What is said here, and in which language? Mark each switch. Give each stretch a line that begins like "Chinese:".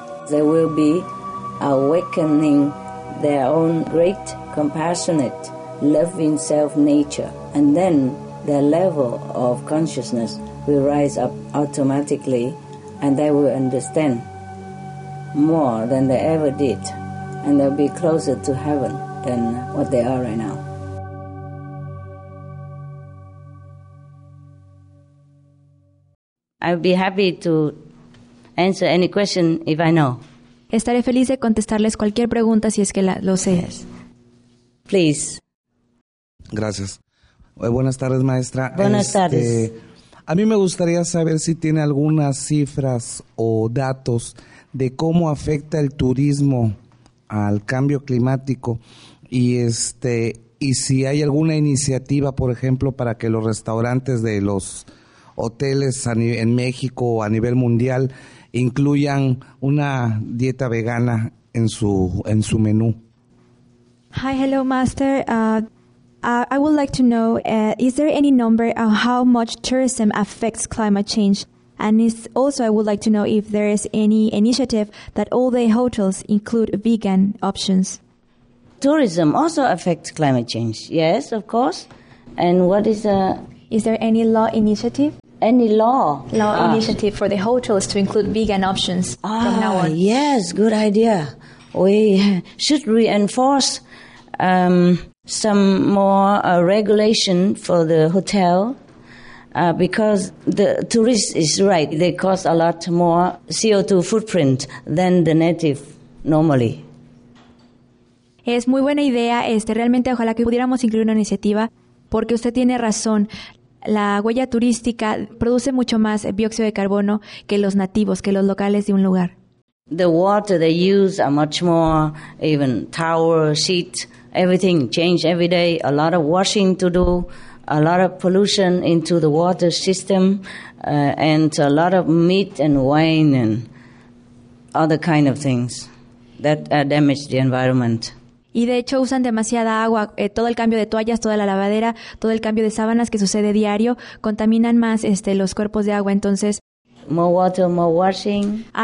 English: They will be awakening their own great, compassionate, loving self nature, and then their level of consciousness will rise up automatically, and they will understand more than they ever did, and they'll be closer to heaven than what they are right now. I'd be happy to answer any question if I know.
Spanish: Estaré feliz de contestarles cualquier pregunta si es que lo sé.
English: Yes. Please.
Spanish: Gracias. Buenas tardes, maestra. Buenas tardes. A mí me gustaría saber si tiene algunas cifras o datos de cómo afecta el turismo al cambio climático y si hay alguna iniciativa, por ejemplo, para que los restaurantes de los hoteles en México o a nivel mundial incluyan una dieta vegana en su menú.
English: Hi, hello, Master. I would like to know, is there any number on how much tourism affects climate change? And also, I would like to know if there is any initiative that all the hotels include vegan options. Tourism also affects climate change, yes, of course. And what is Is there any law initiative? Any law? Law initiative for the hotels to include vegan options from now on. Yes, good idea. We should reinforce some more regulation for the hotel because the tourist is right. They cost a lot more CO2 footprint than the native normally.
Spanish: Es muy buena idea. Realmente ojalá que pudiéramos incluir una iniciativa porque usted tiene razón. La huella turística produce mucho más dióxido de carbono que los nativos, que los locales de un lugar.
English: The water they use are much more, even tower, sheet, everything change every day. A lot of washing to do, a lot of pollution into the water system, and a lot of meat and wine and other kind of things that damage the environment.
Spanish: Y de hecho usan demasiada agua, todo el cambio de toallas, toda la lavadera, todo el cambio de sábanas que sucede diario, contaminan más los cuerpos de agua, entonces...
English: More water, more washing.